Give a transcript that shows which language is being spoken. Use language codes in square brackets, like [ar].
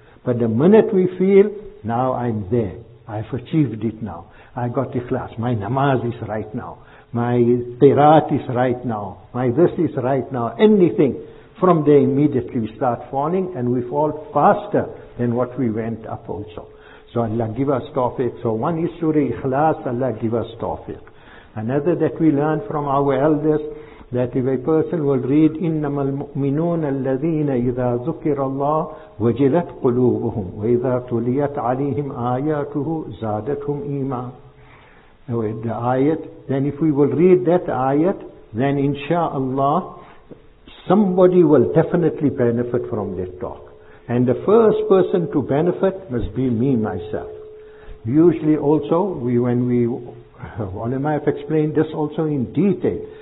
[en] But the minute we feel, now I'm there, I've achieved it now, I got ikhlas, my namaz is right now, my tirat is right now, my this is right now, anything, from there immediately we start falling, and we fall faster than what we went up also. So Allah give us tawfiq. So one is Surah Ikhlas, Allah give us tawfiq. Another that we learn from our elders, that if a person will read, [ar] إِنَّمَا الْمُؤْمِنُونَ الَّذِينَ إِذَا ذُكِرَ اللَّهُ وَجِلَتْ قُلُوبُهُمْ وَإِذَا تُلِيَتْ عَلِيهِمْ آيَاتُهُ زَادَتْهُمْ إِيمَانٌ. [en] The ayat, then if we will read that ayat, then inshaAllah, somebody will definitely benefit from that talk. And the first person to benefit must be me, myself. Usually also, ulama have explained this also in detail.